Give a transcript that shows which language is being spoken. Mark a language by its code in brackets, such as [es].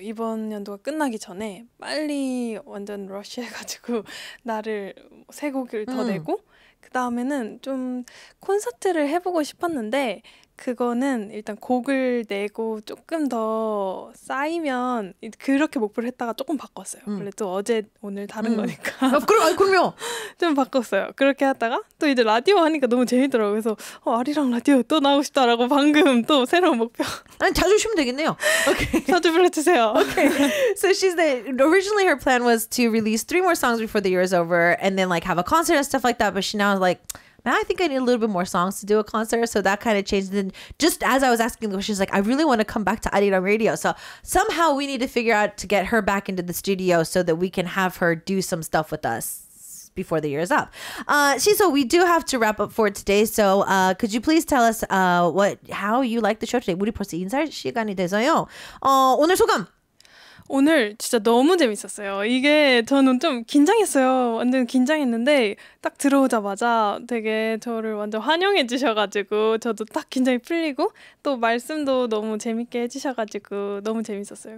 [ko] 이번 연도가 끝나기 전에 빨리 완전 러쉬해가지고 나를 3곡을 더 내고 그 다음에는 좀 콘서트를 해보고 싶었는데 그거는 일단 곡을 내고 조금 더 쌓이면 그렇게 목표를 했다가 조금 바꿨어요. 원래 또 어제 오늘 다른 거니까. 아, 그럼요. 좀 바꿨어요. 그렇게 하다가 또 이제 라디오 하니까 너무 재밌더라고요. 그래서 아리랑 라디오 또 나오고 싶다라고 방금 또 새로운 목표. 아니 자주 오시면 되겠네요. [en] 오케이. [ko] 자주 불러주세요. [en] Okay. So she said originally her plan was to release 3 more songs before the year is over and then like have a concert and stuff like that. But she now is like, now I think I need a little bit more songs to do a concert. So that kind of changed. And then just as I was asking the question, she's like, I really want to come back to ARIRANG Radio. So somehow we need to figure out to get her back into the studio so that we can have her do some stuff with us before the year is up. Siso, we do have to wrap up for today. So could you please tell us how you like the show today? [ko] 우리 벌써 인사 시간이 돼서요. 오늘 소감! 오늘 진짜 너무 재밌었어요. 이게 저는 좀 긴장했어요. 완전 긴장했는데 딱 들어오자마자 되게 저를 완전 환영해 주셔가지고 저도 딱 긴장이 풀리고 또 말씀도 너무 재밌게 해주셔가지고 너무 재밌었어요.